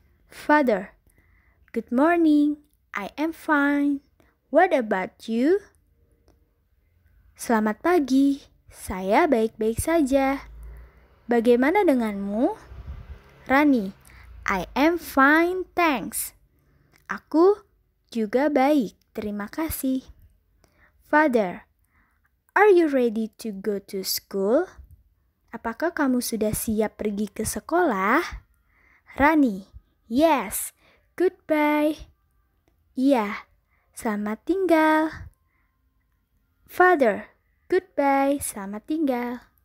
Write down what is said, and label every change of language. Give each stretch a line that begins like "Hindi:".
English: Father, good morning, I am fine. What about you?
Indonesian: Selamat pagi, saya baik-baik saja. Bagaimana denganmu?
English: Rani, I am fine, thanks.
Indonesian: Aku juga baik, terima kasih.
English: Father, are you ready to go to school?
Indonesian: Apakah kamu sudah siap pergi ke sekolah? Rani,
English: yes. Goodbye.
Indonesian: Iya, selamat tinggal. Father, goodbye, selamat tinggal.